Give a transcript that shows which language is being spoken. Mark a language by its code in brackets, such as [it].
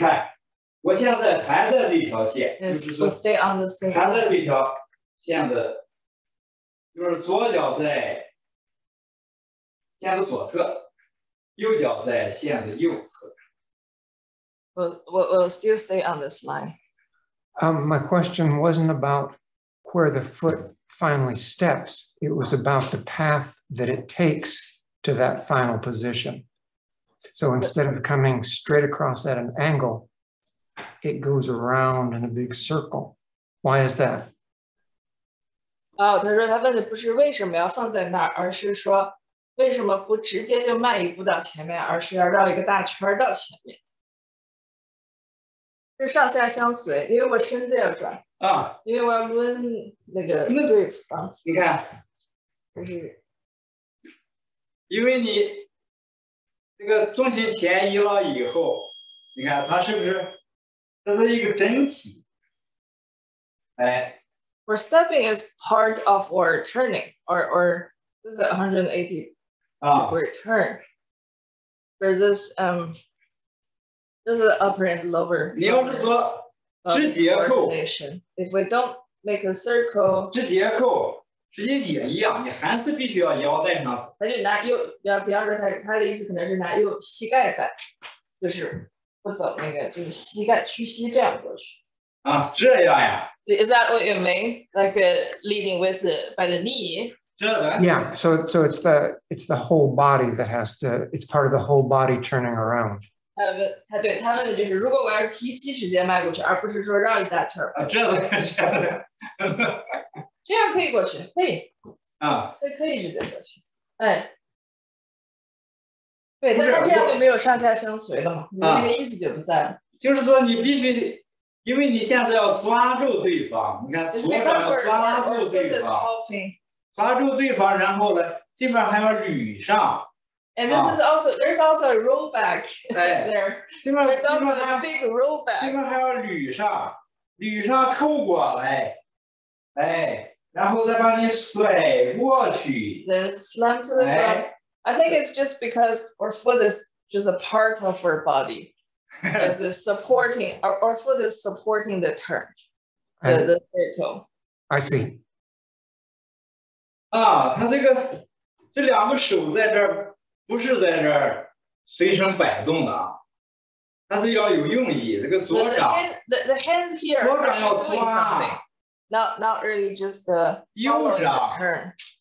[zh] 看，我现在还在这条线，就是说 [en] we'll stay on the same. [zh] 还在这条线的，就是左脚在线的左侧，右脚在线的右侧。 [en] We'll still stay on this line. My question wasn't about where the foot finally steps. It was about the path that it takes. To that final position. So instead of coming straight across at an angle, it goes around in a big circle. Why is that? [zh] Oh, 他说他问的不是为什么要放在那儿，而是说为什么不直接就迈一步到前面，而是要绕一个大圈到前面？是上下相随，因为我身子要转啊，因为我要抡那个对方。你看，就是。因为你这个重心前移了以后，你看它是不是这是一个整体？哎 [en] ，We're stepping is part of our turning, or this is 180 degree turn. For this, this is upper and lower. [zh] 你要是说直接扣 [en] ，If we don't make a circle， [zh] 直接扣。实际也一样，你还是必须要腰带上走。他就拿右，比方说他的意思可能是拿右膝盖带，就是不走那个，就是膝盖屈膝这样过去。啊，这样呀 [en] ？Is that what you mean? Like leading with by the knee? [zh] 这个。 [en] Yeah, so it's the whole body that has to. It's part of the whole body turning around. [zh] 他对他问的就是，如果我要是提膝直接迈过去，而不是说绕一大圈。啊，这个。这样可以过去，可以，啊，这可以直接过去，哎，对，但是这样就没有上下相随了嘛，啊、那个意思就不在了。就是说你必须，因为你现在要抓住对方，你看左脚要抓住对方，抓住对方，然后呢，这边还要捋上。 [en] And this is also there's also a roll back、哎、 there. [zh] 这边这边还 [en] big roll back， [zh] 这边还要捋上，捋上扣过来。哎，然后再把你甩过去。 [en] Then slam to the ground.、哎、 I think it's just because our foot is just a part of our body, is supporting our foot is supporting the turn, the circle. I see. [zh] 啊，他这个这两个手在这儿不是在这儿随身摆动的啊。他是要有用意，这个左掌。 [en] The hands here. [zh] 左掌要抓。 [en] Not really just the following the turn.